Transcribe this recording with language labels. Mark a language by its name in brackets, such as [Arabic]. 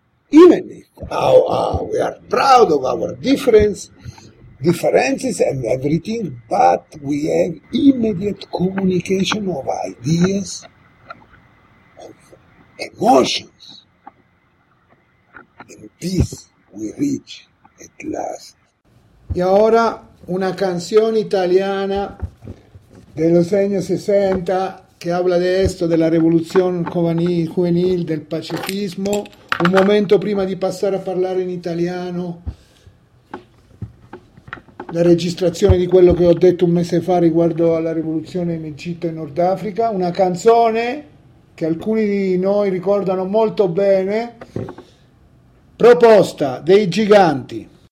[English] Even if we are proud of our differences and everything, but we have immediate communication of ideas, emotions, and this we reach at last. [Spanish] Y ahora una canción italiana de los años 60 que habla de esto, de la revolución juvenil, del pacifismo. [Italian] Un momento prima di passare a parlare in italiano, la registrazione di quello che ho detto un mese fa riguardo alla rivoluzione in Egitto e Nord Africa. Una canzone che alcuni di noi ricordano molto bene, proposta dei Giganti.